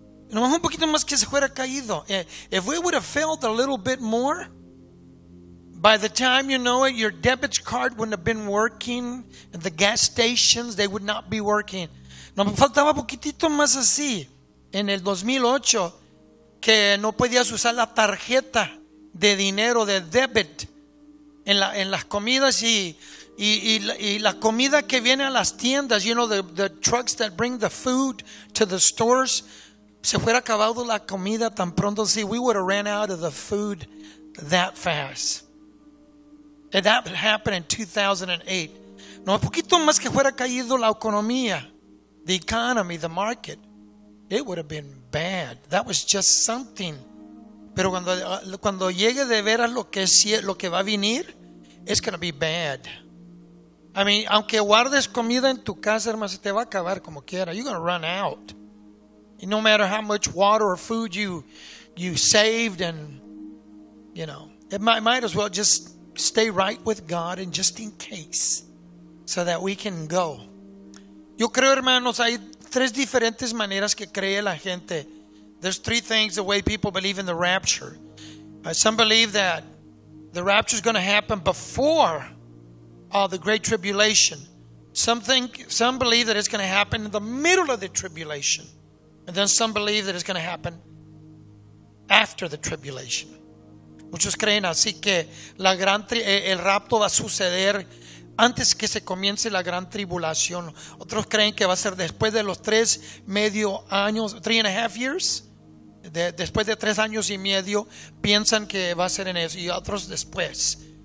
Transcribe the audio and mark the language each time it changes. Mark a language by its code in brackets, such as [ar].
[es] Nomás un poquito más que se fuera caído. [en] If we would have failed a little bit more, by the time you know it, your debit card wouldn't have been working, and the gas stations, they would not be working. [es] Nomás faltaba poquitito más así. En el 2008, que no podías usar la tarjeta de dinero, de debit, en las comidas y la comida que viene a las tiendas, [en] you know, the trucks that bring the food to the stores, [es] se fuera acabado la comida tan pronto, sí, [en] we would have ran out of the food that fast. And that happened in 2008. [es] No, poquito más que fuera caído la economía, [en] the economy, the market, it would have been bad. That was just something. [es] Pero cuando llegue de veras lo que va a venir, [en] it's going to be bad. I mean, [es] aunque guardes comida en tu casa, hermano, se te va a acabar como quiera. [en] You're going to run out. And no matter how much water or food you saved, and, you know, it might as well just stay right with God and just in case so that we can go. [es] Yo creo, hermanos, hay tres diferentes maneras que cree la gente. [en] There's three things the way people believe in the rapture. Some believe that the rapture is going to happen before the great tribulation. Some believe that it's going to happen in the middle of the tribulation. And then some believe that it's going to happen after the tribulation. [es] Muchos creen así que el rapto va a suceder antes que se comience la gran tribulación. Otros creen que va a ser después de los tres medio años, [en] 3.5 years. [es] Después de 3 años y medio, piensan que va a ser en eso, y otros después.